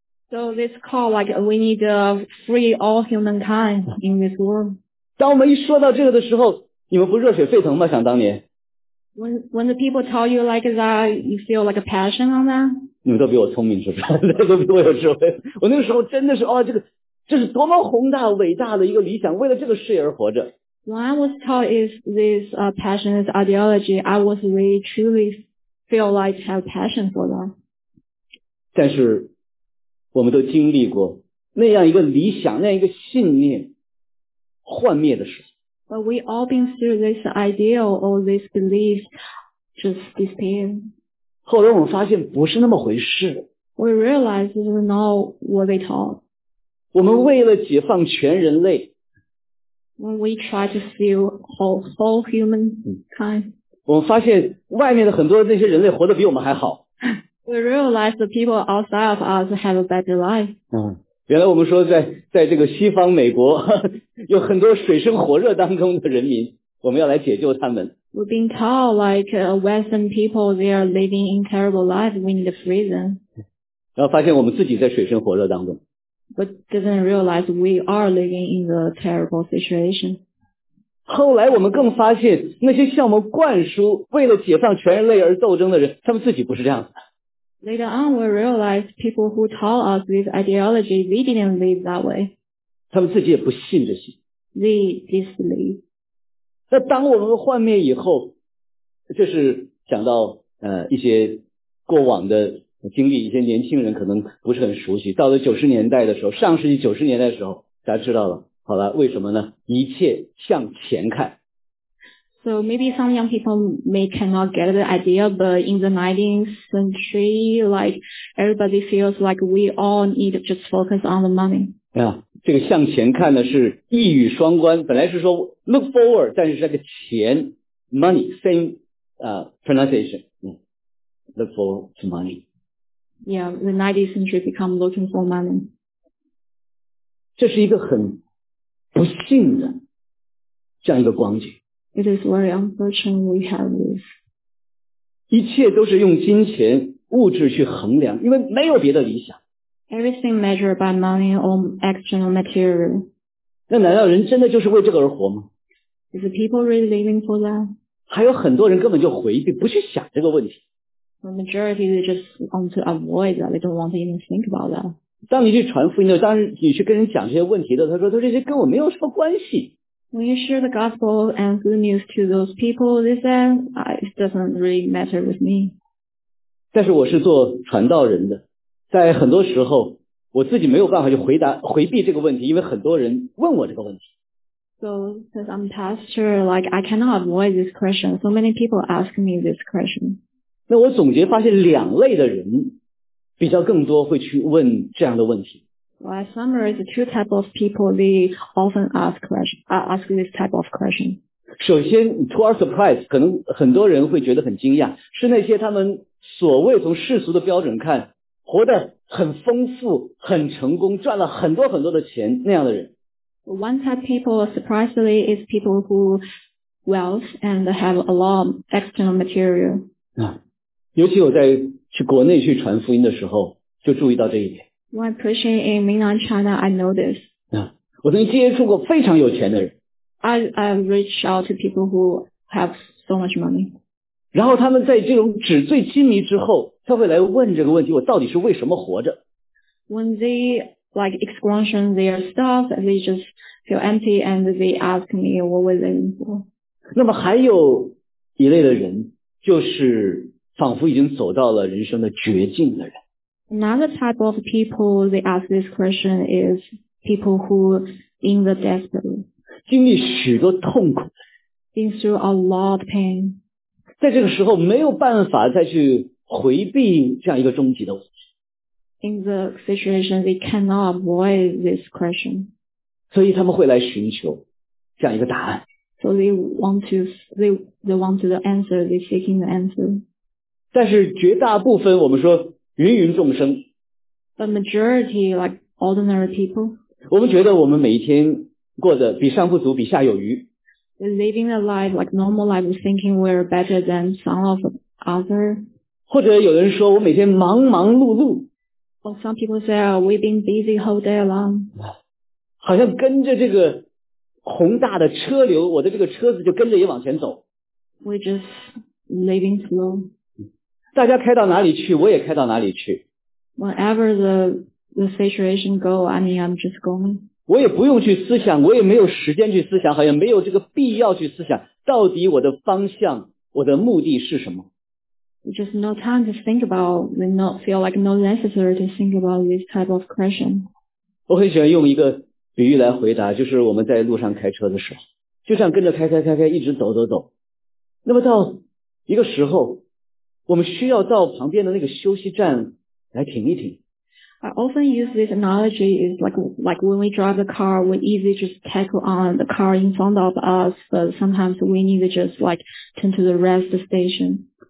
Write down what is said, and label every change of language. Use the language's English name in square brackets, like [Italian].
[English] So it's called like we need to free all humankind in this world. [Chinese] 当我们一说到这个的时候你们不热血沸腾吗想当年 [English] When the people tell you like that, you feel like a passion on that? [Chinese] 你们都比我聪明是不是都比我有智慧。我那个时候真的是哦这是多么宏大伟大的一个理想为了这个事而活着。 [English] When I was taught is this passionate ideology, I was really truly feel like have passion for that. [Chinese] 但是我们都经历过那样一个理想那样一个信念幻灭的事。 [English] But we all been through this ideal or this belief just disappear. [Chinese] 后来我们发现不是那么回事。 [English] We realized this is not what they taught. [Chinese] 我们为了解放全人类 [English] When we try to feel whole humankind, [Chinese] 我们发现外面的很多那些人类活得比我们还好。 [English] We realize the people outside of us have a better life. [Chinese] 原来我们说在这个西方美国有很多水深火热当中的人民，我们要来解救他们。 [English] We've been told like Western people, they are living in terrible life. We need to free them. [Chinese] 然后发现我们自己在水深火热当中。 [English] But doesn't realize we are living in a terrible situation. [Chinese] 后来我们更发现那些向我们灌输为了解放全人类而斗争的人他们自己不是这样的。 [English] Later on we realize people who taught us this ideology they didn't live that way. [Chinese] 他们自己也不信这些。 [English] They disbelieve. [Chinese] 那当我们幻灭以后就是讲到一些过往的经历一些年轻人可能不是很熟悉到了90年代的时候上世纪90年代的时候大家知道了好了为什么呢一切向前看 [English] So maybe some young people may cannot get the idea but in the 19th century like everybody feels like we all need to just focus on the money [Chinese] 对啊这个向前看呢是一语双关本来是说 [English] look forward [Chinese] 但是这个钱 [English] money same pronunciation look forward to money Yeah, the 19th century become looking for money. [Chinese] 这是一个很不幸的这样一个光景。 [English] It is very unfortunate we have this. [Chinese] 一切都是用金钱物质去衡量因为没有别的理想。 [English] Everything measured by money or external material. [Chinese] 那难道人真的就是为这个而活吗 [English] Is the people really living for that? [Chinese] 还有很多人根本就回避不去想这个问题。 [English] The majority they just want to avoid that. They don't want to even think about that. [Chinese] 当你去传福音的，当你去跟人讲这些问题的，他说这些跟我没有什么关系。 [English] When you share the gospel and good news to those people, they say, it doesn't really matter with me. [Chinese] 但是我是做传道人的，在很多时候我自己没有办法去回避这个问题，因为很多人问我这个问题。 [English] So since I'm pastor, like I cannot avoid this question. So many people ask me this question. [Chinese] 那我总结发现两类的人比较更多会去问这样的问题。 [English] Well, I summarize two types of people they often ask this type of question. [Chinese] 首先 [English] to our surprise, [Chinese] 可能很多人会觉得很惊讶是那些他们所谓从世俗的标准看活得很丰富很成功赚了很多很多的钱那样的人。 [English] One type of people, surprisingly, is people who wealth and have a lot of external material. [Chinese] 尤其我在去国内去传福音的时候就注意到这一点 [English] When I'm preaching in mainland China I know this [Chinese] 我曾经接触过非常有钱的人 [English] I reach out to people who have so much money [Chinese] 然后他们在这种纸醉金迷之后他会来问这个问题我到底是为什么活着 [English] When they like expunction their stuff they just feel empty and they ask me what were they in for [Chinese] 那么还有一类的人就是仿佛已经走到了人生的绝境的人。 [English] Another type of people they ask this question is people who in the desperate. [Chinese] 经历许多痛苦。 [English] Been through a lot of pain. [Chinese] 在这个时候没有办法再去回避这样一个终极的问题。 [English] In the situation they cannot avoid this question. [Chinese] 所以他们会来寻求这样一个答案。 [English] So they want the answer, they're seeking the answer. [Chinese] 但是绝大部分我们说芸芸众生。 [English] But a majority like ordinary people. [Chinese] 我们觉得我们每一天过得比上不足，比下有余。 [English] Living a life like normal life, thinking we're better than some of other. [Chinese] 或者有人说我每天忙忙碌碌。 [English] Or some people say、oh, we've been busy whole day long. [Chinese] 好像跟着这个宏大的车流，我的这个车子就跟着也往前走。 [English] We're just living slow. [Chinese] 大家开到哪里去，我也开到哪里去。 [English] Whenever the situation go, I mean, I'm just going. [Chinese] 我也不用去思想，我也没有时间去思想，好像没有这个必要去思想，到底我的方向，我的目的是什么？ [English] Just no time to think about, we not feel like no necessary to think about this type of question. [Chinese] 我很喜欢用一个比喻来回答，就是我们在路上开车的时候，就这样跟着开开开开，一直走走走。那么到一个时候，我们需要到旁边的那个休息站来停一停。 [English] I often use this analogy is like when we drive the car, we easily just tackle on the car in front of us, but sometimes we need to just like turn to the rest station.